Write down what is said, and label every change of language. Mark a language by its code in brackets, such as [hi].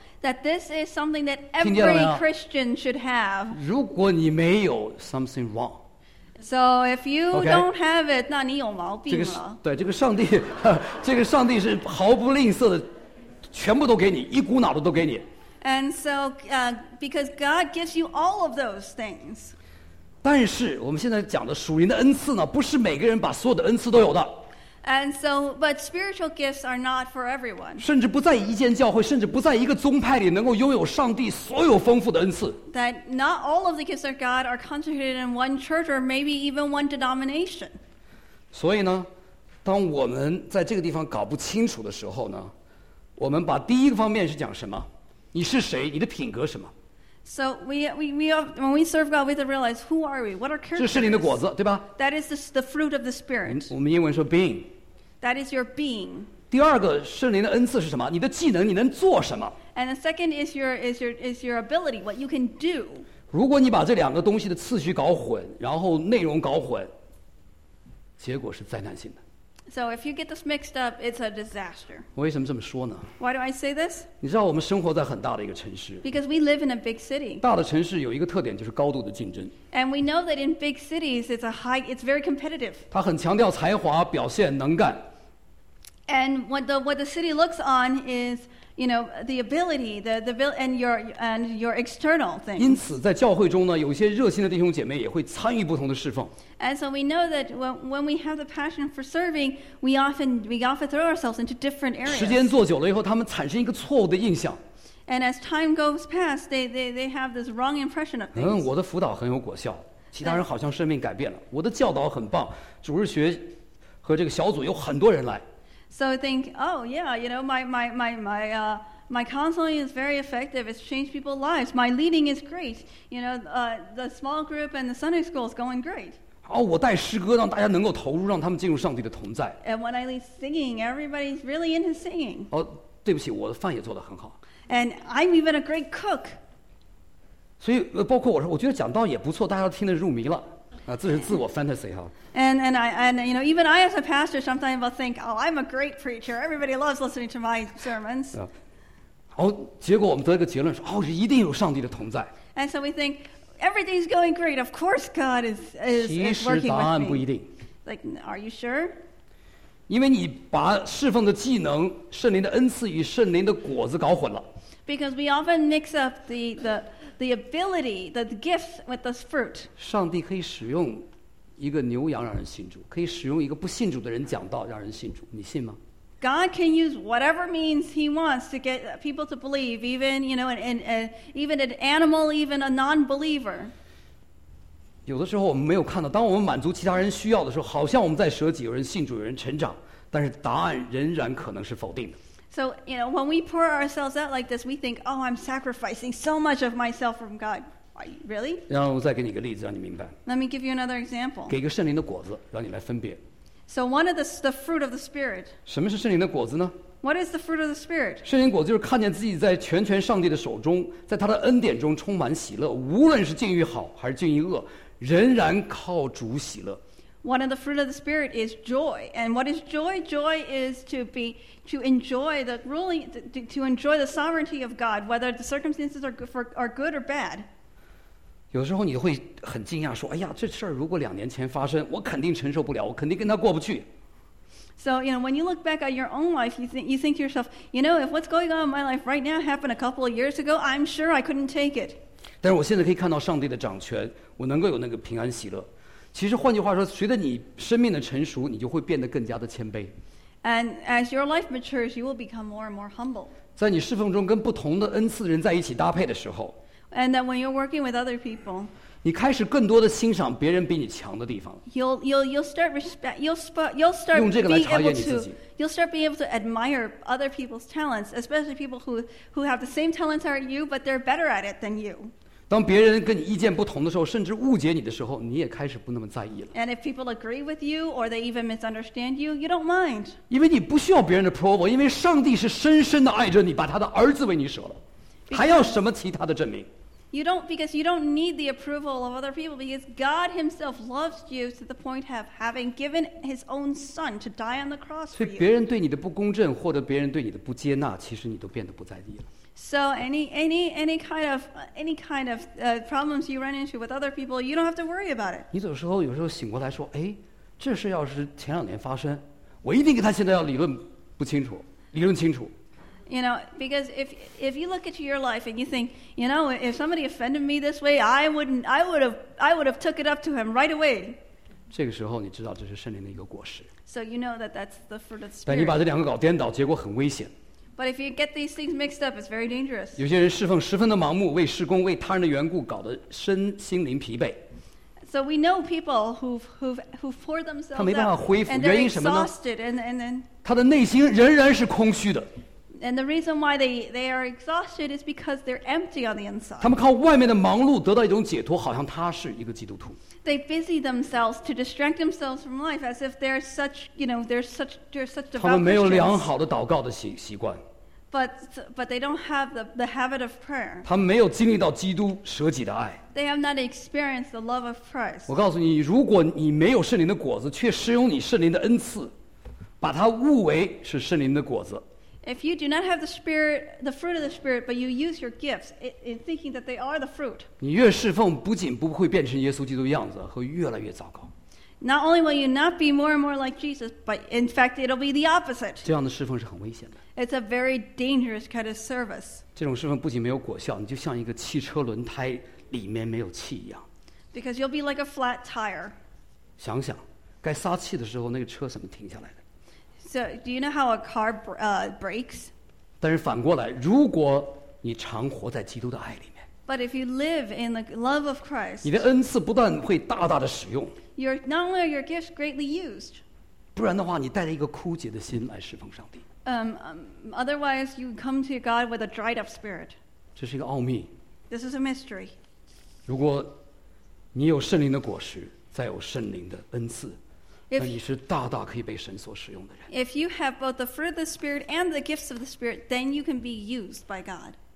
[en] That this is something that every Christian should have. [zh] 如果你没有 [en] something wrong. So if you don't have it, [zh] 那你有毛病了。对，这个上帝是毫不吝啬的，全部都给你，一股脑的都给你。 [en] And so, because God gives you all of those things. [zh] 但是我们现在讲的属灵的恩赐呢，不是每个人把所有的恩赐都有的。 [en] And so, but spiritual gifts are not for everyone. [zh] 甚至不在一间教会，甚至不在一个宗派里，能够拥有上帝所有丰富的恩赐。 [en] That not all of the gifts of God are concentrated in one church or maybe even one denomination. [zh] 所以呢，当我们在这个地方搞不清楚的时候呢，我们把第一个方面是讲什么？你是谁？你的品格什么？ [en] So when we serve God, we have to realize who are we? What are characteristics? [zh] 是圣灵的果子，对吧？ [en] That is the fruit of the Spirit. [zh] 我们英文说 being. [en] That is your being. [zh] 第二个圣灵的恩赐是什么？你的技能，你能做什么？ [en] And the second is your ability, what you can do. [zh] 如果你把这两个东西的次序搞混，然后内容搞混，结果是灾难性的。 [en] So if you get this mixed up, it's a disaster. [zh] 为什么这么说呢？ [en] Why do I say this? [zh] 你知道我们生活在很大的一个城市。 [en] Because we live in a big city. [zh] 大的城市有一个特点，就是高度的竞争。 [en] And we know that in big cities, it's very competitive. [zh] 它很强调才华、表现、能干。 [en] And what the city looks on is, you know, the ability, and your external things. [zh] 因此，在教会中呢，有些热心的弟兄姐妹也会参与不同的侍奉。 [en] And so we know that when we have the passion for serving, we often throw ourselves into different areas. [zh] 时间做久了以后，他们产生一个错误的印象。 [en] And as time goes past, they have this wrong impression of things. [zh] 我的辅导很有果效，其他人好像生命改变了。我的教导很棒，主日学和这个小组有很多人来。 [en] So I think, oh yeah, you know, my counseling is very effective. It's changed people's lives. My leading is great. You know, the small group and the Sunday school is going great. [zh] 我带诗歌让大家能够投入，让他们进入上帝的同在。 [en] And when I lead singing, everybody's really into singing. [zh] 对不起，我的饭也做得很好。 [en] And I'm even a great cook. [zh] 所以包括我说，我觉得讲道也不错，大家听得入迷了。这是自我 fantasy 哈。 [en] And you know, even I as a pastor sometimes will think, oh, I'm a great preacher. Everybody loves listening to my sermons. [zh] 结果我们得一个结论说，一定有上帝的同在。 [en] And so we think everything's going great. Of course, God is working with me. [zh] 其实答案不一定。 [en] Like, are you sure? [zh] 因为你把侍奉的技能、圣灵的恩赐与圣灵的果子搞混了。 [en] Because we often mix up the ability, the gifts with this fruit. [zh] 上帝可以使用一个牛羊让人信主，可以使用一个不信主的人讲道让人信主，你信吗？ [en] God can use whatever means he wants to get people to believe, even, you know, even an animal, even a non-believer. [zh] 有的时候我们没有看到，当我们满足其他人需要的时候，好像我们在舍己，有人信主，有人成长，但是答案仍然可能是否定的。 [en] So, you know, when we pour ourselves out like this, we think, oh, I'm sacrificing so much of myself from God. Are you, really? [zh] 让我再给你一个例子，让你明白。 [en] Let me give you another example. [zh] 给一个圣灵的果子，让你来分别。 [en] So one of the fruit of the Spirit. [zh] 什么是圣灵的果子呢？ [en] What is the fruit of the Spirit? [zh] 圣灵果子就是看见自己在全权上帝的手中，在他的恩典中充满喜乐，无论是境遇好还是境遇恶，仍然靠主喜乐。 [en] One of the fruit of the Spirit is joy. And what is joy? Joy is to enjoy the sovereignty of God, whether the circumstances are good or bad. [zh] 有时候你会很惊讶说，哎呀，这事儿如果两年前发生，我肯定承受不了，我肯定跟他过不去。 [en] So, you know, when you look back at your own life, you think to yourself, you know, if what's going on in my life right now happened a couple of years ago, I'm sure I couldn't take it. [zh] 但是我现在可以看到上帝的掌权，我能够有那个平安喜乐。其实换句话说，随着你生命的成熟，你就会变得更加的谦卑。 [en] And as your life matures, you will become more and more humble. [zh] 在你侍奉中跟不同的恩赐人在一起搭配的时候， [en] And then when you're working with other people, [zh] 你开始更多的欣赏别人比你强的地方。 [en] You'll start [zh] 用这个来查验你自己。 [en] You'll start being able to admire other people's talents, especially people who have the same talents as you, but they're better at it than you. [zh] 当别人跟你意见不同的时候，甚至误解你的时候，你也开始不那么在意了。 [en] And if people agree with you or they even misunderstand you, you don't mind. [zh] 因为你不需要别人的 approval, 因为上帝是深深的爱着你，把他的儿子为你舍了， [en] because、 [zh] 还要什么其他的证明？ [en] You don't need the approval of other people because God Himself loves you to the point of having given His own Son to die on the cross for you. [zh] 所以别人对你的不公正或者别人对你的不接纳，其实你都变得不在意了。 [en] So any kind of problems you run into with other people, you don't have to worry about it. [zh] 你有时候醒过来说，哎，这事要是前两年发生，我一定跟他现在要理论不清楚，理论清楚。 [en] You know, because if you look at your life and you think, you know, if somebody offended me this way, I would have took it up to him right away. [zh] 这个时候你知道这是圣灵的一个果实。 [en] So you know that that's the fruit of the Spirit. [zh] 但你把这两个搞颠倒，结果很危险。 [en] But if you get these things mixed up, it's very dangerous. [zh] 有些人侍奉十分的盲目，为事工、为他人的缘故，搞得身心灵疲惫。 [en] So we know people who've poured themselves out. [zh] 他没办法恢复，原因什么呢？ [en] And then [zh] 他的内心仍然是空虚的。 [en] And the reason why they are exhausted is because they're empty on the inside. [zh] 他们靠外面的忙碌得到一种解脱，好像他是一个基督徒。 [en] They busy themselves to distract themselves from life as if they're such, you know, they're such devout Christians. [zh] 他们没有良好的祷告的习惯。 [en] But they don't have the habit of prayer. [zh] 他们没有经历到基督舍己的爱。 [en] They have not experienced the love of Christ. [zh] 我告诉你，如果你没有圣灵的果子，却使用你圣灵的恩赐，把它误为是圣灵的果子。 [en] If you do not have the Spirit, the fruit of the Spirit, but you use your gifts in thinking that they are the fruit, [zh] 你越侍奉，不仅不会变成耶稣基督的样子，会越来越糟糕。 [en] Not only will you not be more and more like Jesus, but in fact, it'll be the opposite. [zh] 这样的侍奉是很危险的。 [en] It's a very dangerous kind of service. [zh] 这种侍奉不仅没有果效，你就像一个汽车轮胎里面没有气一样。 [en] Because you'll be like a flat tire. [zh] 想想，该撒气的时候，那个车怎么停下来的？ [en] So, do you know how a car breaks? [zh] 但是反过来，如果你常活在基督的爱里面 [en] ，But if you live in the love of Christ, [zh] 你的恩赐不断会大大的使用 [en] ，Your not only are your gifts greatly used, [zh] 不然的话，你带着一个枯竭的心来侍奉上帝。 [en] Otherwise, you come to God with a dried up spirit. [zh] 这是一个奥秘。 [en] This is a mystery. [zh] 如果你有圣灵的果实，再有圣灵的恩赐。那你是大大可以被神所使用的人。 [en] If you have both the fruit of the Spirit and the gifts of the Spirit, then you can be used by God.